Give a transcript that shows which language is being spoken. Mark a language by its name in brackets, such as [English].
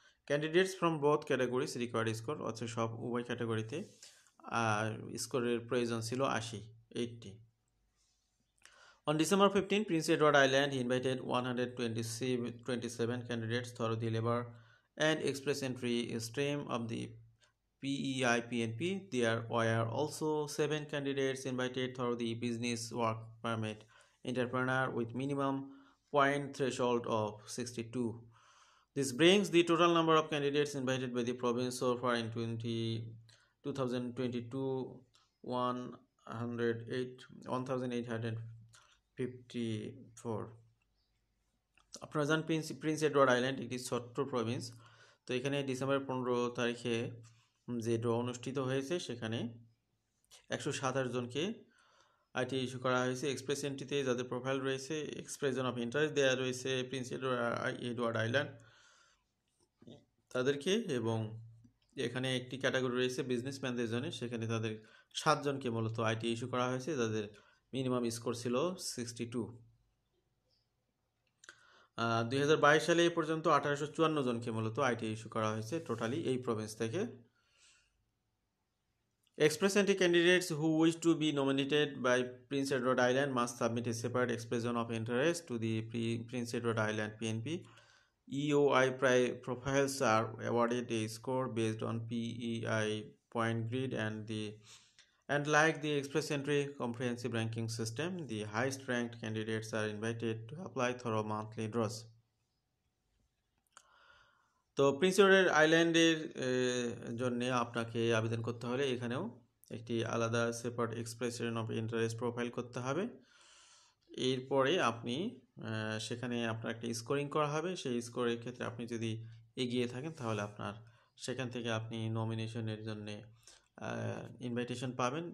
[English] candidates from both categories required score, [Bangla] অর্থাৎ সব উভয় ক্যাটাগরিতে স্কোরের প্রয়োজন ছিল 80। [English] On December 15 Prince Edward Island invited 127 candidates through the labour and express entry stream of the PEI PNP. There were also 7 candidates invited through the business work permit entrepreneur with minimum point threshold of 62. This brings the total number of candidates invited by the province so far in 1854. Prince Edward Island, it is Sotro province. So, here December 15th, [Bangla] যে draw অনুষ্ঠিত হয়েছে সেখানে 127 জনকে IT issue করা হয়েছে। Express এন্ট্রিতে যাদের profile রয়েছে, expression of interest দেওয়া রয়েছে প্রিন্স এডওয়ার্ড আইল্যান্ড তাদেরকে, এবং এখানে একটি ক্যাটাগরি রয়েছে বিজনেসম্যানদের জন্য, সেখানে তাদের 7 জনকে মূলত আইটি ইস্যু করা হয়েছে যাদের মিনিমাম স্কোর ছিল 62। 2022 সালে এ পর্যন্ত 1854 জনকে মূলত আইটি ইস্যু করা হয়েছে টোটালি এই প্রভিন্স থেকে। [English] Express entry candidates who wish to be nominated by Prince Edward Island must submit a separate expression of interest to the Prince Edward Island PNP. EOI profiles are awarded a score based on PEI point grid and like the express entry comprehensive ranking system, the highest ranked candidates are invited to apply through monthly draws. [Bangla] তো Prince Edward আইল্যান্ডের জন্য আপনাকে আবেদন করতে হলে এখানেও একটি আলাদা separate expression of interest profile করতে হবে। এরপরে আপনি সেখানে আপনার একটি স্কোরিং করা হবে, সেই স্কোরের ক্ষেত্রে আপনি যদি এগিয়ে থাকেন তাহলে আপনার সেখান থেকে আপনি নমিনেশনের জন্য ইনভাইটেশন পাবেন।